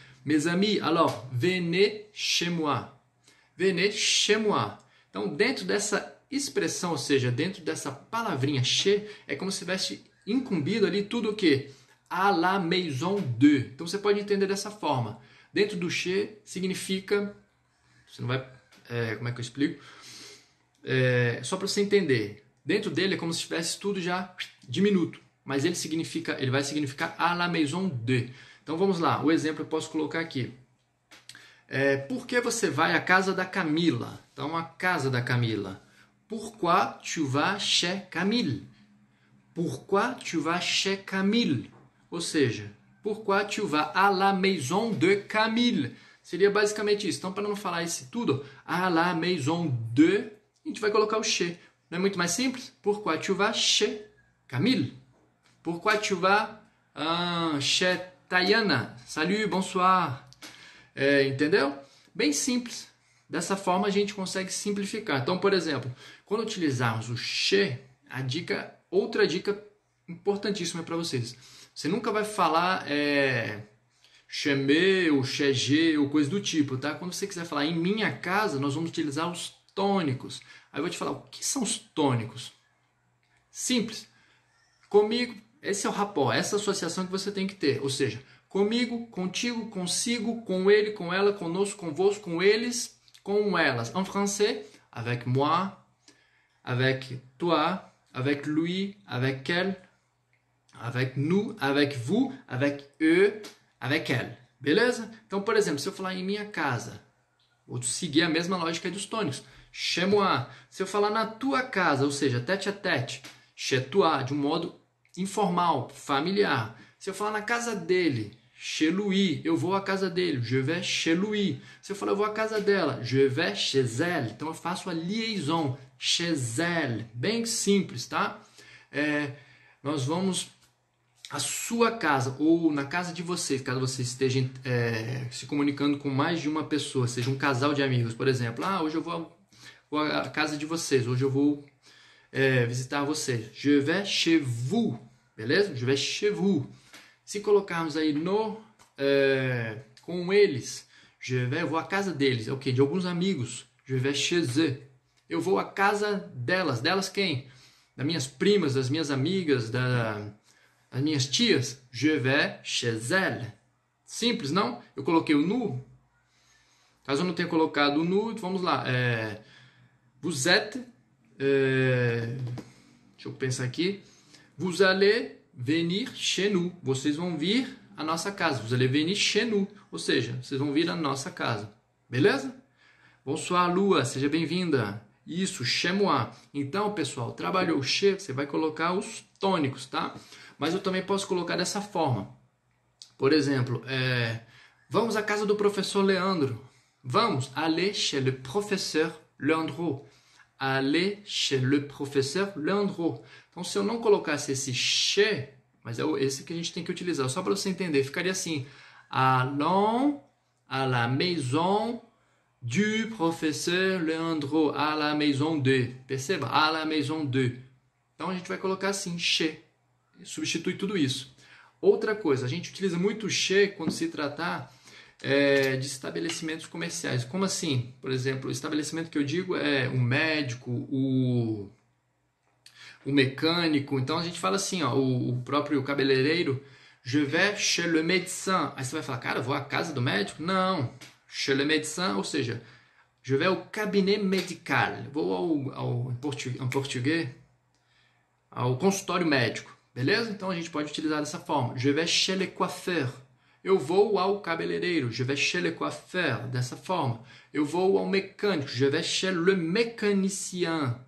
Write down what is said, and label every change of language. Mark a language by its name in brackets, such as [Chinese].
[French] Mes amis, alors, venez chez moi. Venez chez moi. [Portuguese] Então, dentro dessa expressão, ou seja, dentro dessa palavrinha chez, é como se tivesse incumbido ali tudo o quê? [French] À la maison de. [Portuguese] Então, você pode entender dessa forma. Dentro do chez, significa... Você não vai... como é que eu explico? Só para você entender. Dentro dele, é como se tivesse tudo já diminuto. Mas ele significa, ele vai significar [French] à la maison de. [Portuguese] Então, vamos lá. O exemplo eu posso colocar aqui. Por que você vai à casa da Camila? Então, a casa da Camila. [French] Pourquoi tu vas chez Camille? Pourquoi tu vas chez Camille? [Portuguese] Ou seja, [French] pourquoi tu vas à la maison de Camille? [Portuguese] Seria basicamente isso. Então, para não falar isso tudo, [French] à la maison de, [Portuguese] a gente vai colocar o chez. Não é muito mais simples? [French] Pourquoi tu vas chez Camille? Pourquoi tu vas chez Tayana? Salut, bonsoir. [Portuguese] Entendeu? Bem simples. Dessa forma a gente consegue simplificar. Então, por exemplo, quando utilizarmos o che, a dica, outra dica importantíssima para vocês. Você nunca vai falar chez me ou chez je ou coisa do tipo, tá? Quando você quiser falar em minha casa, nós vamos utilizar os tônicos. Aí eu vou te falar o que são os tônicos. Simples. Comigo, esse é o rapó, essa associação que você tem que ter. Ou seja, comigo, contigo, consigo, com ele, com ela, conosco, convosco, com eles, com elas. [French] En français, avec moi, avec toi, avec lui, avec elle, avec nous, avec vous, avec eux, avec elle. [Portuguese] Beleza? Então, por exemplo, se eu falar em minha casa, vou seguir a mesma lógica dos tônicos. [French] Chez moi. [Portuguese] Se eu falar na tua casa, ou seja, tête à tête, [French] chez toi, [Portuguese] de um modo informal, familiar. Se eu falar na casa dele, [French] chez lui, [Portuguese] eu vou à casa dele, [French] je vais chez lui. [Portuguese] Se eu falar, eu vou à casa dela, [French] je vais chez elle. [Portuguese] Então, eu faço a liaison, [French] chez elle. [Portuguese] Bem simples, tá? Nós vamos à sua casa ou na casa de vocês, caso você esteja se comunicando com mais de uma pessoa, seja um casal de amigos, por exemplo. Ah, hoje eu vou à casa de vocês, hoje eu vou visitar vocês. [French] Je vais chez vous, [Portuguese] beleza? [French] Je vais chez vous. [Portuguese] Se colocarmos aí no com eles, je vais, eu vou à casa deles, ok, de alguns amigos, [French] je vais chez eux. [Portuguese] Eu vou à casa delas, delas quem? Das minhas primas, das minhas amigas, das minhas tias, [French] je vais chez elles. [Portuguese] Simples, não? Eu coloquei o nu, caso eu não tenha colocado o nu, vamos lá, [French] vous êtes, [Portuguese] deixa eu pensar aqui, [French] vous allez venir chez nous. [Portuguese] Vocês vão vir à nossa casa. [French] Vous allez venir chez nous. [Portuguese] Ou seja, vocês vão vir à nossa casa. Beleza? [French] Bonsoir, [Portuguese] Lua. Seja bem-vinda. Isso, chamois. Então, pessoal, trabalhou o che, você vai colocar os tônicos, tá? Mas eu também posso colocar dessa forma. Por exemplo, vamos à casa do professor Leandro. Vamos, [French] allez chez le professeur Leandro. Allez chez le professeur Leandro. [Portuguese] Então, se eu não colocasse esse che, mas é esse que a gente tem que utilizar, só para você entender, ficaria assim: [French] Allons à la maison du professeur Leandro, à la maison de. [Portuguese] Perceba? [French] À la maison de. [Portuguese] Então a gente vai colocar assim: che. Substitui tudo isso. Outra coisa, a gente utiliza muito che quando se tratar de estabelecimentos comerciais. Como assim? Por exemplo, o estabelecimento que eu digo é o médico, o mecânico. Então a gente fala assim: ó, o próprio cabeleireiro. [French] Je vais chez le médecin. [Portuguese] Aí você vai falar, cara, eu vou à casa do médico? Não. [French] Chez le médecin, [Portuguese] ou seja, [French] je vais au cabinet médical. [Portuguese] Vou ao português, ao consultório médico. Beleza? Então a gente pode utilizar dessa forma. [French] Je vais chez le coiffeur. [Portuguese] Eu vou ao cabeleireiro. [French] Je vais chez le coiffeur. [Portuguese] Dessa forma. Eu vou ao mecânico. [French] Je vais chez le mécanicien.